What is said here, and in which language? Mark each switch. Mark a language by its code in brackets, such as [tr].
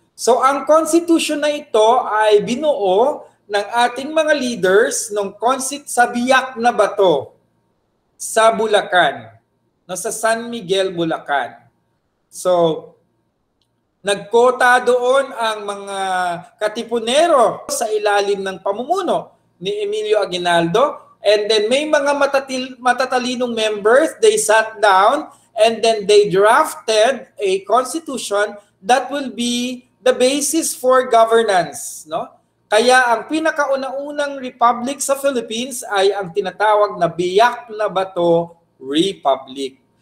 [tl] So, ang Constitution na ito ay binuo ng ating mga leaders nung sa Biak na Bato, sa Bulacan, no, sa San Miguel, Bulacan. So, nagkota doon ang mga katipunero sa ilalim ng pamumuno ni Emilio Aguinaldo. [en] And then [tl] may mga matatalinong [en] members, they sat down and then they drafted a constitution that will be the basis for governance. No? [tl] Kaya ang pinakauna-unang republic sa Philippines ay ang tinatawag na Biak na Bato Republic.